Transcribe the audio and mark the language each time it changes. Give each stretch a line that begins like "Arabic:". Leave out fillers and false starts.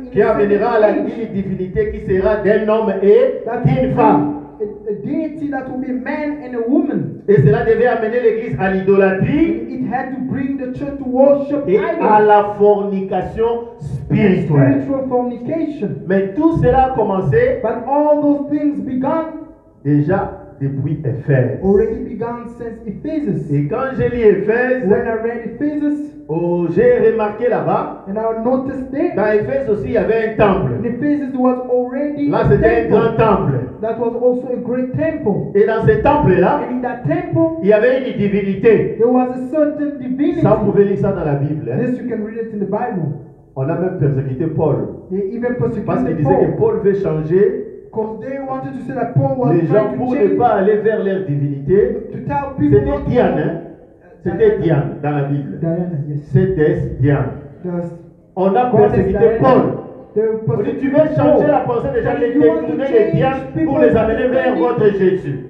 French: qui amènera à la divinité qui sera d'un homme et d'une femme.
English: A deity that will be a man and a woman.
French: Et cela devait amener l'église à l'idolâtrie
English: it had to bring the church to worship
French: et idols. À la fornication spirituelle.
English: Spiritual fornication.
French: Mais tout cela a commencé
English: but all those things began
French: déjà depuis Éphèse.
English: Already begun since Ephesus.
French: Et quand j'ai lu Éphèse,
English: when I read Ephesus,
French: oh, j'ai remarqué là-bas,
English: and I noticed there,
French: dans Éphèse aussi il y avait un temple.
English: In Ephesus was already
French: là c'était un grand temple.
English: That was also a great temple.
French: Et dans ce temple-là,
English: and in that temple,
French: il y avait une divinité.
English: There was a certain divinity.
French: Ça, vous pouvez lire ça dans la Bible. Hein?
English: This you can read it in the Bible.
French: On a même persécuté Paul.
English: They even persecuted
French: parce qu'il
English: Paul.
French: Disait que Paul veut changer.
English: Because they wanted to say that Paul was
French: les gens pour ne pas aller vers leur divinité, c'était Diane, hein? C'était Diane dans la Bible.
English: Diana, yes.
French: C'était Diane.
English: Does
French: on a persécuité Paul. Vous dites, tu veux changer la pensée des gens, les détourner des Diane pour les amener vers votre Jésus.